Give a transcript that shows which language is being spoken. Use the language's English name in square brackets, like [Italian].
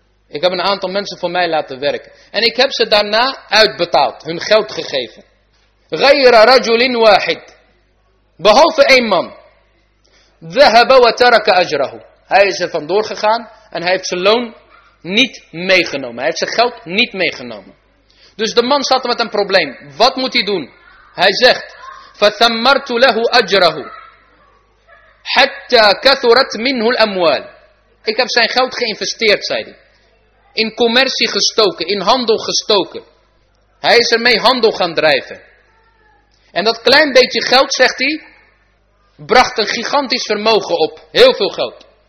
[Dutch] Ik heb een aantal mensen voor mij laten werken. En ik heb ze daarna uitbetaald, hun geld gegeven. [Arabic] Ghayra rajulin wahid. [Dutch] Behalve één man. [Arabic] Dhahaba wa taraka ajrahu. [Dutch] Hij is er vandoor gegaan en hij heeft zijn loon niet meegenomen. Hij heeft zijn geld niet meegenomen. Dus de man zat met een probleem. Wat moet hij doen? Hij zegt, [Arabic] فَثَمَّرْتُ لَهُ أَجْرَهُ حَتَّى كَثُرَتْ مِنْهُ الْأَمْوَالِ. [Dutch] Ik heb zijn geld geïnvesteerd, zei hij. In commercie gestoken, in handel gestoken. Hij is ermee handel gaan drijven. En dat klein beetje geld, zegt hij, bracht een gigantisch vermogen op. Heel veel geld.